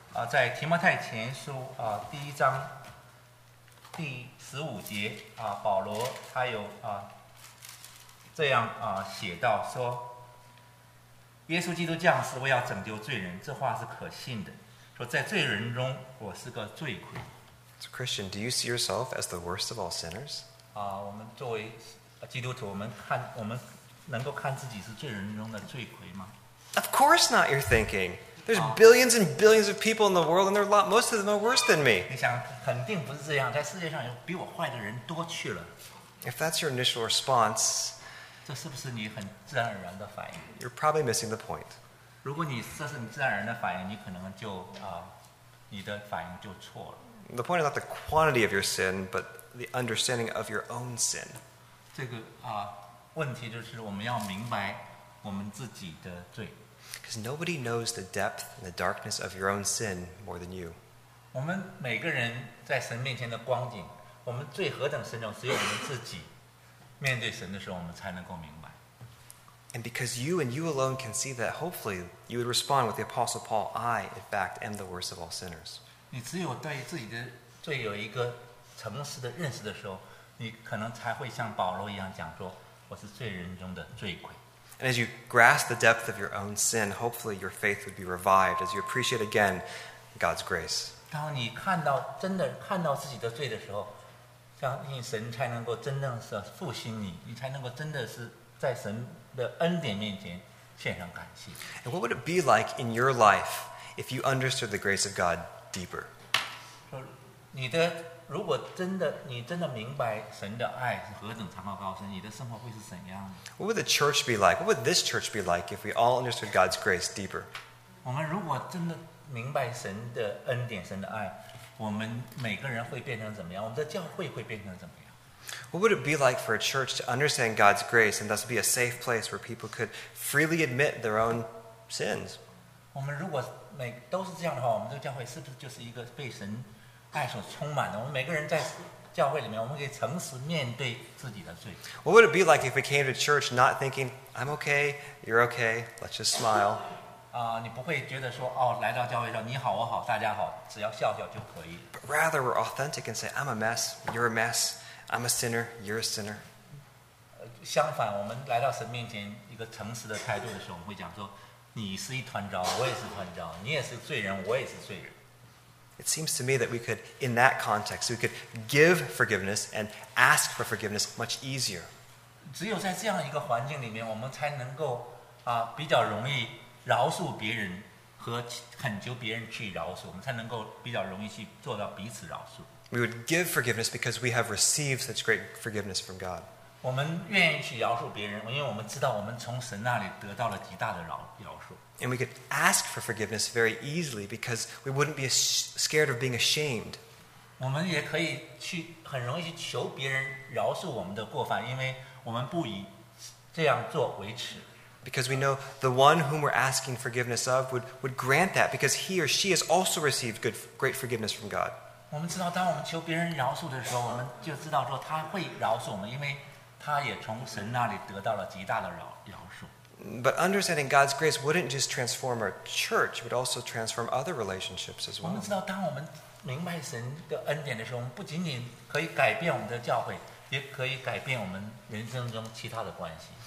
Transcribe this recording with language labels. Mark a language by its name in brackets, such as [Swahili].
[Chinese] 在提摩太前书第一章第十五节保罗他有这样写到说。耶稣基督降世为要拯救罪人，这话是可信的。说在罪人中，我是个罪魁。 [English] So Christian, do you see yourself as the worst of all sinners? [Chinese] 我们作为基督徒，我们能够看自己是罪人中的罪魁吗？ [English] Of course not. You're thinking there's billions and billions of people in the world, and most of them are worse than me. [Chinese] 你想，肯定不是这样。在世界上有比我坏的人多去了。 [English] If that's your initial response. [Chinese] 这是不是你很自然而然的反应？ [English] You're probably missing the point. [Chinese] 如果你这是你自然而然的反应，你可能就你的反应就错了。 [English] The point is not the quantity of your sin, but the understanding of your own sin. [Chinese] 这个问题就是我们要明白我们自己的罪。 [English] Because nobody knows the depth and the darkness of your own sin more than you. [Chinese] 我们每个人在神面前的光景，我们罪何等深重，只有我们自己。面对神的时候，我们才能够明白。 [English] And because you and you alone can see that, hopefully you would respond with the Apostle Paul, "I, in fact, am the worst of all sinners." [Chinese] 你只有对自己的罪有一个诚实的认识的时候，你可能才会像保罗一样讲说，我是罪人中的罪魁。 [English] And as you grasp the depth of your own sin, hopefully your faith would be revived as you appreciate again God's grace. [Chinese] 当你看到真的看到自己的罪的时候。相信神才能够真正是复兴你，你才能够真的是在神的恩典面前献上感谢。 [English] And what would it be like in your life if you understood the grace of God deeper? [Chinese] 如果真的你真的明白神的爱是何等长阔高深，你的生活会是怎样的？ [English] What would the church be like? What would this church be like if we all understood God's grace deeper? [Chinese] 我们如果真的明白神的恩典、神的爱。我们每个人会变成怎么样？我们的教会会变成怎么样 [English] ？What would it be like for a church to understand God's grace and thus be a safe place where people could freely admit their own sins？ [Chinese] 我们如果都是这样的话，我们这个教会是不是就是一个被神爱所充满的？我们每个人在教会里面，我们可以诚实面对自己的罪。 [English] What would it be like if we came to church not thinking I'm okay, you're okay, let's just smile？ [Chinese] 你不会觉得说来到教会上你好我好大家好只要笑笑就可以。 [English] But rather we're authentic and say, I'm a mess, you're a mess, I'm a sinner, you're a sinner. [Chinese] 相反，我们来到神面前一个诚实的态度的时候，我们会讲说，你是一团糟，我也是团糟，你也是罪人，我也是罪人。 [English] It seems to me that we could, in that context, we could give forgiveness and ask for forgiveness much easier. [Chinese] 只有在这样一个环境里面，我们才能够啊比较容易饶恕别人和恳求别人去饶恕，我们才能够比较容易去做到彼此饶恕。 [English] We would give forgiveness because we have received such great forgiveness from God. [Chinese] 我们愿意去饶恕别人，因为我们知道我们从神那里得到了极大的饶恕。 [English] And we could ask for forgiveness very easily because we wouldn't be scared of being ashamed. [Chinese] 我们也可以去很容易求别人饶恕我们的过犯，因为我们不以这样做为耻。 [English] Because we know the one whom we're asking forgiveness of would grant that because he or she has also received great forgiveness from God. [Chinese] 我们知道当我们求别人饶恕的时候，我们就知道说他会饶恕我们，因为他也从神那里得到了极大的饶恕。 [English] But understanding God's grace wouldn't just transform our church, it would also transform other relationships as well. [Chinese] 我们知道当我们明白神的恩典的时候，我们不仅仅可以改变我们的教会，也可以改变我们人生中其他的关系。